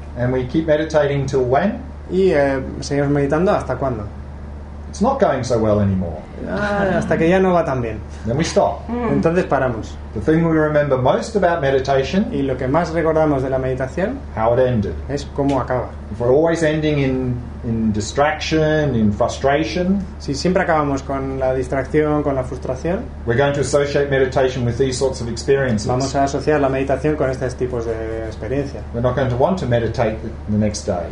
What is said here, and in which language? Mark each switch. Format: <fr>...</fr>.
<en>And we keep meditating till when?</en> <es>Y seguimos meditando hasta cuándo.</es> <en>It's not going so well anymore.</en> <es>Hasta que ya no va tan bien.</es> <en>Then we stop.</en> <es>Entonces paramos.</es> <en>The thing we remember most about meditation.</en> <es>Y lo que más recordamos de la meditación.</es> <en>How it ended.</en> <es>Es cómo acaba.</es> <en>If we're always ending in distraction, in frustration.</en> <es>Si siempre acabamos con la distracción, con la frustración.</es> <en>We're going to associate meditation with these sorts of experiences.</en> <es>Vamos a asociar la meditación con estos tipos de experiencias.</es> <en>We're not going to want to meditate the next day.</en>